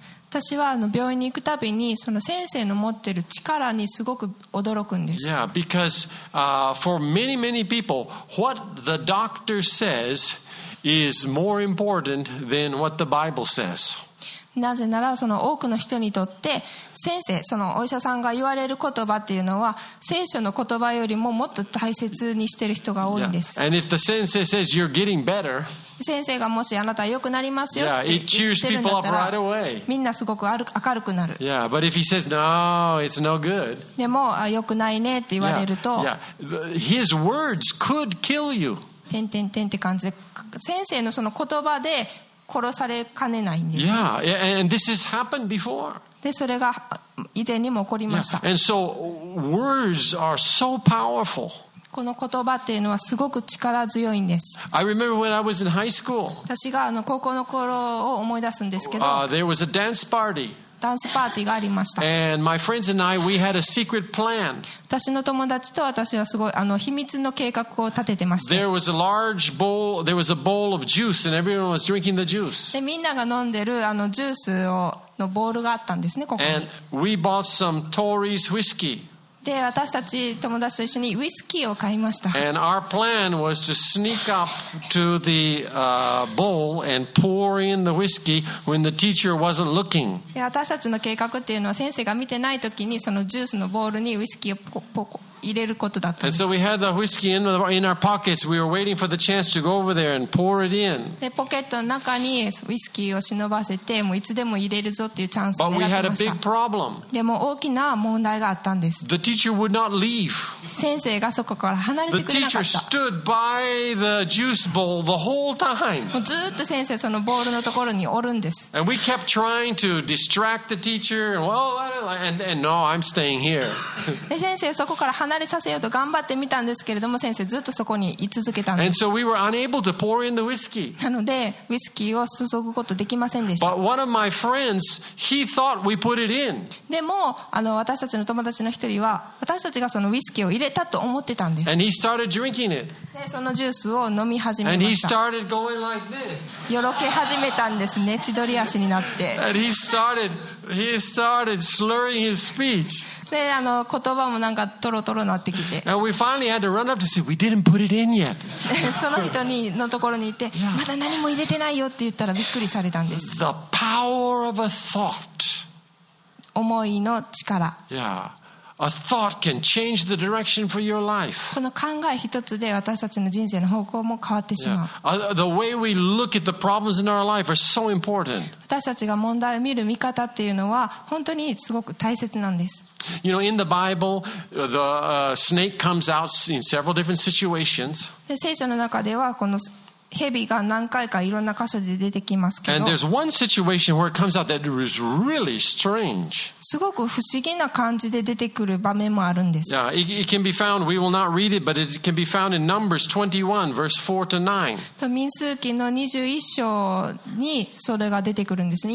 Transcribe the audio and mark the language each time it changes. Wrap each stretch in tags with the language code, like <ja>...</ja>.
<ja>私は病院に行くたびにその先生の持ってる力にすごく驚くんです。</ja> <en>Yeah, because for many, many people, what the doctor says. Is more important than what the Bible says.</en> <ja>なぜならその多くの人にとって先生そのお医者さんが言われる言葉っていうのは聖書の言葉よりももっと大切にしている人が多いんです。</ja> <en>Yeah. And if the sensei says you're getting better,</en> <ja>先生がもしあなたは良くなりますよって言ってるんだったら、</ja> <en>Yeah, it cheers people up right away.</en> <ja>みんなすごく明るくなる。</ja> <en>Yeah, but if he says no, it's no good.</en> <ja>でも良くないねって言われると、</ja> <en>Yeah. Yeah. His words could kill you.</en> <ja>点点点って感じで先生のその言葉で殺されかねないんです。</ja> <en>Yeah, and this has happened before.</en> <ja>でそれが以前にも起こりました。</ja> <en>Yeah, and so words are so powerful.</en> <ja>この言葉っていうのはすごく力強いんです。</ja> <en>I remember when I was in high school.</en> <ja>私が高校の頃を思い出すんですけど、</ja> <en>there was a dance party.</en> <ja>ダンスパーティーがありました。</ja> <en>And my friends and I, we had a secret plan.</en> <ja>私の友達と私はすごい秘密の計画を立ててました。</ja> <en>There was a large bowl. There was a bowl of juice, and everyone was drinking the juice.</en> <ja>で、みんなが飲んでるジュースをのボールがあったんですね、ここに。</ja> <en>And we bought some Tory's whiskey.</en> <ja>で私たち友達と一緒にウイスキーを買いました。</ja> <en>And our plan was to sneak up to the bowl and pour in the whiskey when the teacher wasn't looking.</en> <ja>私たちの計画っていうのは先生が見てない時にそのジュースのボールにウイスキーをポコ入れることだったんです。</ja> <en>And so we had the whiskey in our pockets. We were waiting for the chance to go over there and pour it in.</en> <ja>でポケットの中にウイスキーを忍ばせてもういつでも入れるぞっていうチャンスを狙ってました。</ja> <en>But we had a big problem.</en> <ja>でも大きな問題があったんです。</ja> <en>The teacher would not leave.</en> <ja>先生がそこから離れてくれなかった。</ja> <en>The teacher stood by the juice bowl the whole time.</en> <ja>もうずっと先生そのボールのところにおるんです。</ja> <en>And we kept trying to distract the teacher. Well, and no, I'm staying here.</en> <ja>で先生そこから離れれさせようと頑張ってみたんですけれども先生ずっとそこに居続けたんです</ja> <en>And so we were unable to pour in the whiskey.</en> <ja>なのでウイスキーを注ぐことできませんでした</ja> <en>But one of my friends, he thought we put it in.</en> <ja>でも私たちの友達の一人は私たちがそのウイスキーを入れたと思ってたんです</ja> <en>And he started drinking it.</en> <ja>でそのジュースを飲み始めました</ja> <en>And he started going like this.</en> <ja>よろけ始めたんですね千鳥足になって</ja> <en>And he started slurring his speech.</en> <ja>で言葉もなんかトロトロなってきて。</ja> <en>And we finally had to run up to say we didn't put it in yet.</en> <ja>その人にのところにいて、まだ何も入れてないよって言ったらびっくりされたんです。</ja> <en>The power of a thought.</en> <ja>思いの力。</ja> <en>Yeah. A thought can change the direction for your life.</en> <ja>この考え一つで私たちの人生の方向も変わってしまう。</ja> <en>The way we look at the problems in our life are so important.</en> <ja>私たちが問題を見る見方っていうのは本当にすごく大切なんです。</ja> <en>You know, in the Bible, the snake comes out in several different situations.</en> <ja>聖書の中ではこの蛇が何回かいろんな箇所で出てきますけど、</ja> <en>And there's one situation where it comes out that it was really strange.</en> <ja>すごく不思議な感じで出てくる場面もあるんです。</ja> <en>Yeah, it can be found. We will not read it, but it can be found in Numbers 21, verse 4 to 9.</en> <ja>と民数記の21章にそれが出てくるんですね。</ja>